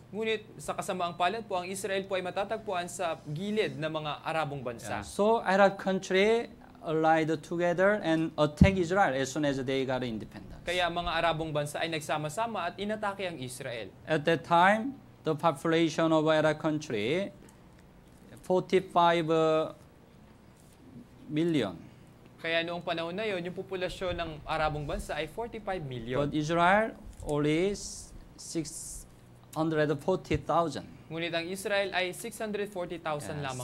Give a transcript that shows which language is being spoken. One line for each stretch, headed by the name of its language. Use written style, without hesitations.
Filipino: Ngunit sa kasamaang palad po, ang Israel po ay matatagpuan sa gilid ng mga Arabong bansa.
English: Yeah. So, Arab country allied together and attacked Israel as soon as they got independence.
Filipino: Kaya mga Arabong bansa ay nagsama-sama at inatake ang Israel.
English: At that time, the population of Arab country, 45 million.
Filipino: Kaya noong panahon na yon, yung populasyon ng Arabong bansa ay 45 million.
English: But Israel, only 640,000.
Filipino: Ngunit ang Israel ay 640,000 lamang.